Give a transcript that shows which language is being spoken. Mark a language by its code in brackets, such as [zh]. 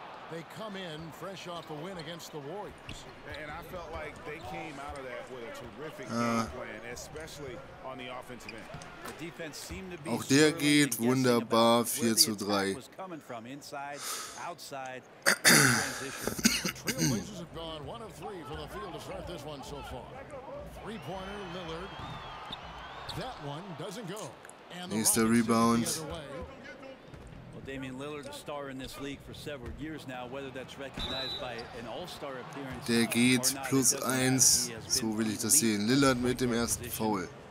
[en] They come in fresh off a win against the Warriors. And I felt like they came out of that with a terrific game plan, especially on the offensive end. The defense seemed to be [de] auch der geht wunderbar, [en] 4-3. Was coming from inside, outside, transition. Trailblazers have gone 1-3 for the field to start this one so far. Three-pointer, Lillard. That one doesn't go. And the rebound. Damian Lillard, a star in this league for several years now, whether that's recognized by an all-star appearance. [de] Der geht plus eins, so will ich das sehen. Lillard mit dem ersten Foul.